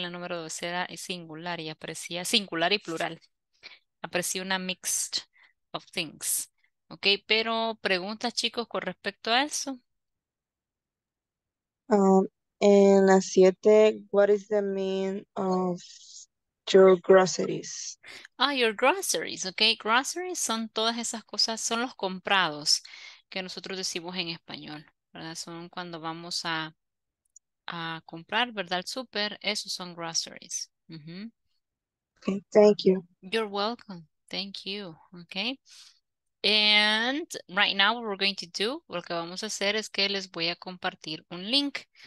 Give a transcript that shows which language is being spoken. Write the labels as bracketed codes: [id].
[es] La número 2 era singular y aparecía singular y plural. Aparecía una [en] mixed of things. [es] Ok, pero preguntas, chicos, con respecto a eso. En la 7, [en] what is the meaning of your groceries? Ah, your groceries, ok. [es] Groceries son todas esas cosas, son los comprados que nosotros decimos en español, ¿verdad? Son cuando vamos a comprar, ¿verdad? El súper, esos son groceries. Mm-hmm. [en] Ok, thank you. You're welcome, thank you, ok. And right now what we're going to do, [es] lo que vamos a hacer es que les voy a compartir un link.